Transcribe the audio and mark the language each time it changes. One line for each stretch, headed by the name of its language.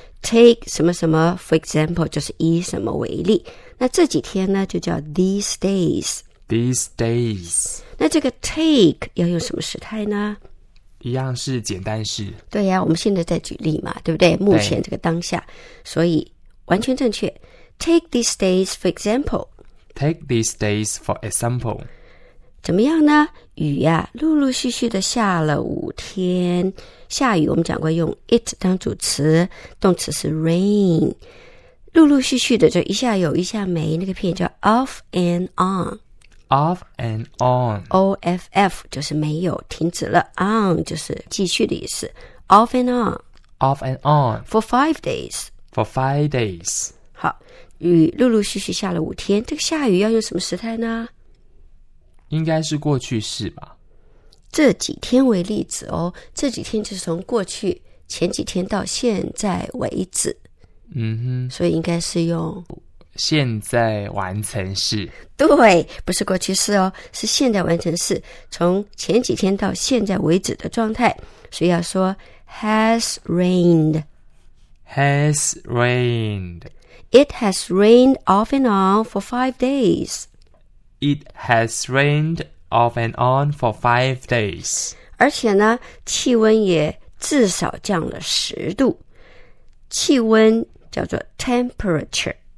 Chinese: Take 什么什么 for example, 就是以什么为例。那这几天呢就叫
English: these days. These days.
Chinese: 那这个 take 要用什么时态呢？一样是简单式。对呀、啊，我们现在在举例嘛，对不对？目前这个当下，所以完全正确。
English: Take these days for example. Take these days for example.
Chinese: 怎么样呢？雨呀、啊，陆陆续续的下了五天。下雨我们讲过用 it 当主词，动词是 rain。陆陆续续的，就一下有一下没，那个片叫
English: off and on。 Off and on.
Chinese: O-F-F 就是没有停止了， on 就是继续的意思。
English: Off and on. Off and on. For 5 days. For 5 days.
Chinese: 好，雨陆陆续续下了五天，这个下雨要用什么时态呢？应该是过去式吧。这几天为例子哦，这几天就是从过去前几天到现在为止。嗯哼，所以应该是用现在完成式。对，不是过去式哦，是现在完成式，从前几天到现在为止的状态。所以要说
English: has rained. Has rained. It has rained off and on for 5 days. It has rained off and on for 5 days.
Chinese: 而且呢，气温也至少降了10度。气温叫做 temperature.